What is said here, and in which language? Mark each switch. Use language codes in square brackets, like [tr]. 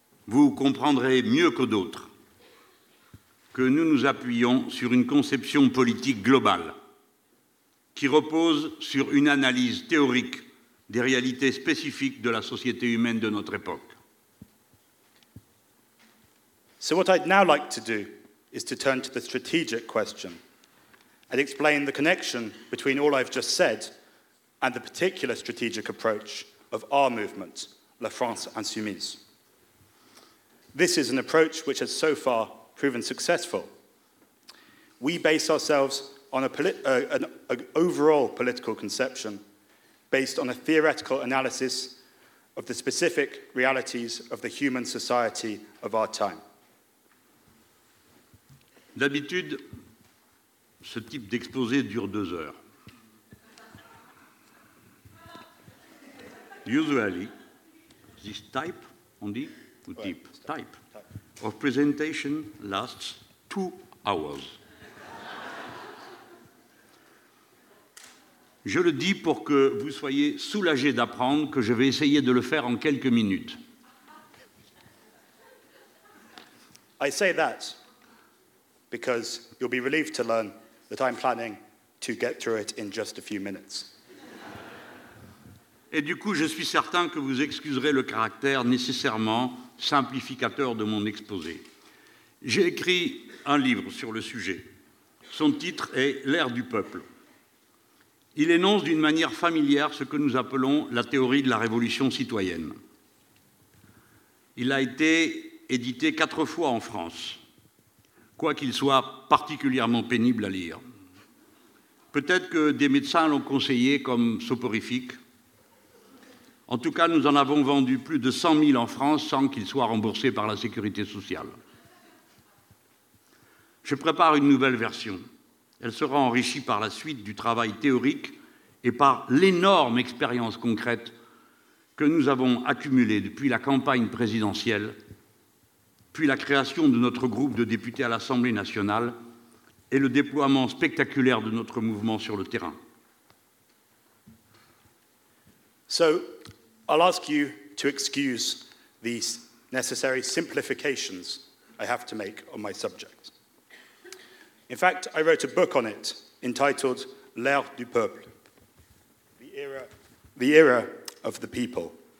[fr] vous comprendrez mieux que d'autres que nous nous appuyons sur une conception politique globale qui repose sur une analyse théorique des réalités spécifiques de la société humaine de notre époque. [en] So what I'd now like to do is to turn to the strategic question and explain the connection between all I've just said and the particular strategic approach of our movement, La France Insoumise. This is an approach which has so far proven successful. We base ourselves on an overall political conception based on a theoretical analysis of the specific realities of the human society of our time. [fr] D'habitude, ce type d'exposé dure 2 heures. [en] Usually, this type, on dit, ou type, type, of presentation lasts 2 hours. [fr] Je le dis pour que vous soyez soulagés d'apprendre que je vais essayer de le faire en quelques minutes. [en] I say that because you'll be relieved to learn that I'm planning to get through it in just a few minutes. [fr] Et du coup, je suis certain que vous excuserez le caractère nécessairement simplificateur de mon exposé. J'ai écrit un livre sur le sujet. Son titre est « L'ère du peuple ». Il énonce d'une manière familière ce que nous appelons la théorie de la révolution citoyenne. Il a été édité 4 fois en France, quoiqu'il soit particulièrement pénible à lire. Peut-être que des médecins l'ont conseillé comme soporifique. En tout cas, nous en avons vendu plus de 100 000 en France sans qu'il soit remboursé par la Sécurité sociale. Je prépare une nouvelle version. Elle sera enrichie par la suite du travail théorique et par l'énorme expérience concrète que nous avons accumulée depuis la campagne présidentielle, puis la création de notre groupe de députés à l'Assemblée nationale et le déploiement spectaculaire de notre mouvement sur le terrain. [en] So, I'll ask you to excuse these necessary simplifications I have to make on my subject. In fact, I wrote a book on it entitled L'ère du peuple, the era of the people.